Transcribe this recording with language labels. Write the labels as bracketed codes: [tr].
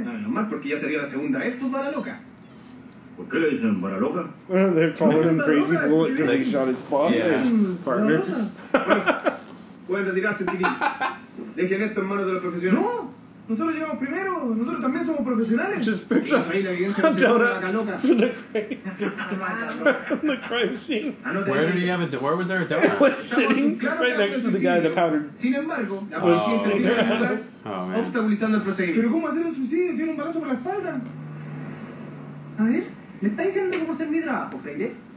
[es] No, más porque ya sería la segunda vez, tú, bala loca. ¿Por qué le dicen bala loca? [en] They're calling him crazy bullet because he shot his father. Yeah, his partner. [es] Bueno, pueden retirarse, chiquillos. Dejen esto en manos de los profesionales. No, Nosotros llegamos primero. Nosotros también somos profesionales. [en] Just picture of I'm down at the crime scene. Where did he have a... Where was there a donut? It was sitting right next to the guy that powdered... [es] Sin embargo... [en] Was sitting there. Oh, man. [es] Obstaculizando el procedimiento. Pero cómo hacer un suicidio tiene un balazo por la espalda. A ver, ¿me está diciendo cómo hacer mi trabajo, Freire?